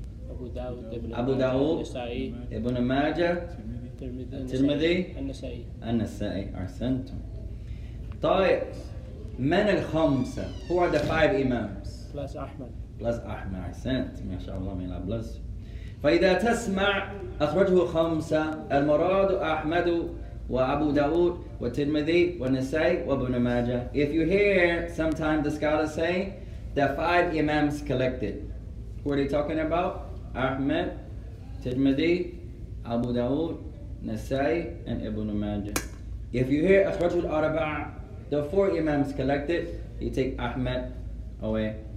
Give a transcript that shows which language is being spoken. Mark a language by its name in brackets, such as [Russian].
[English] Abu Dawood, Ibn Majah, Tirmidhi, An-Nasa'i, Arsantum. [Arabic] طيب, من الخمسة, [English] who are the 5 Imams? Plus Ahmad. Plus Ahmad, Arsantum, may Allah bless you. [Arabic] فإذا تسمع أخرجه خمسة المراد أحمد وأبو داود وتلمذي والنسائي وابن ماجه. [English] If you hear, sometimes the scholars say, the 5 Imams collected. Who are they talking about? Ahmed, Tirmidhi, Abu Dawood, Nasai, and Ibn Majah. If you hear Akhraju al-Arba'a, the 4 Imams collected, you take Ahmed away.